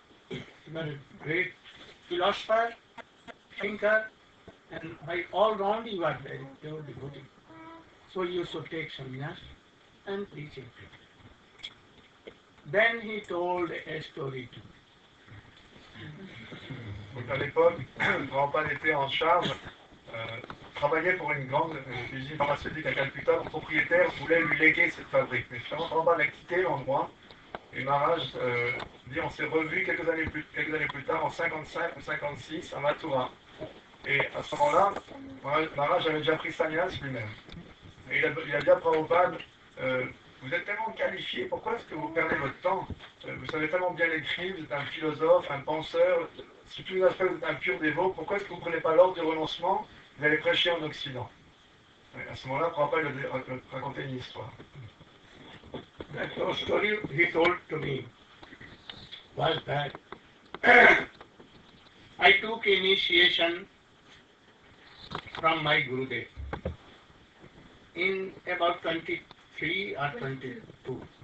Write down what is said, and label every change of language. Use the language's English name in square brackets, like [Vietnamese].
[English] You are a great philosopher, thinker, and by all round you are very pure devotee. So you should take sannyas and preach everywhere. Then he told a story to me. [French] Donc à l'époque, Prabhupada était en charge, travaillait pour une grande usine pharmaceutique à Calcutta. Le propriétaire voulait lui léguer cette fabrique. Mais finalement, Prabhupada a quitté l'endroit. Et Maharaj dit, on s'est revu quelques années plus tard, en 55 ou 56, à Mathura. Et à ce moment-là, Maharaj avait déjà pris sannyas lui-même. Et il a dit à Prabhupada, vous êtes tellement qualifié, pourquoi est-ce que vous perdez votre temps? Vous savez tellement bien écrire, vous êtes un philosophe, un penseur. Si tous les aspects d'un pur dévot, pourquoi est-ce que vous ne prenez pas l'ordre du renoncement d'aller prêcher en Occident? Et à ce moment-là, Prabhupada lui a raconté une histoire. [English] La story he told to me was that I took initiation from my Gurudev in about 23 or 22.